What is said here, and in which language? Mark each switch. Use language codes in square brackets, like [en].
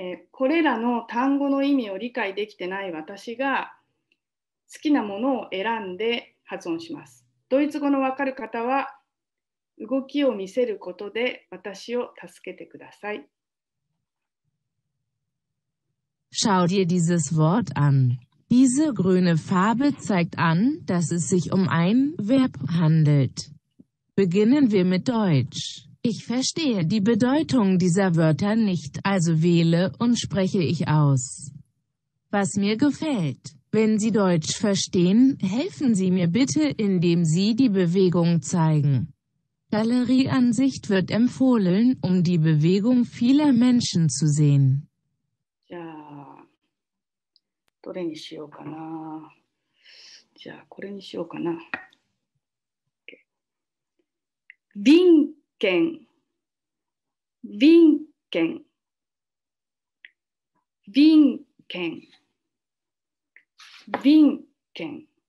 [ja] これらの単語の意味を理解できてない私が好きなものを選んで発音します。ドイツ語の分かる方は動きを見せることで私を助けてください。 [de] Schau dir dieses Wort an. Diese grüne Farbe zeigt an, dass es sich um ein Verb handelt. Beginnen wir mit Deutsch. Ich verstehe die Bedeutung dieser Wörter nicht, also wähle und spreche ich aus. Was mir gefällt, wenn Sie Deutsch verstehen, helfen Sie mir bitte, indem Sie die Bewegung zeigen. Galerieansicht wird empfohlen, um die Bewegung vieler Menschen zu sehen. [ja] どれにしようかな。じゃあこれにしようかな。ビンケン、ビンケン、ビンケン、ビンケン。